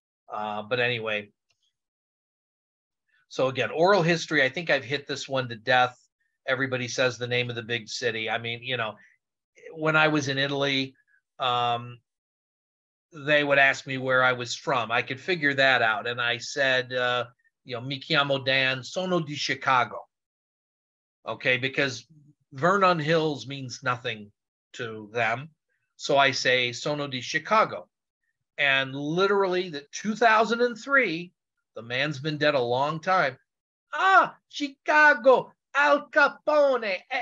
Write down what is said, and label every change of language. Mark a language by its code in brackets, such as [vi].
[en] But anyway, so again, oral history, I think I've hit this one to death. Everybody says the name of the big city. I mean, you know, when I was in Italy, they would ask me where I was from. I could figure that out. And I said, [it] mi chiamo Dan, sono di Chicago. [en] Okay, because Vernon Hills means nothing to them. So I say, [it] sono di Chicago. [en] And literally, the 2003, the man's been dead a long time. Ah, Chicago, Al Capone.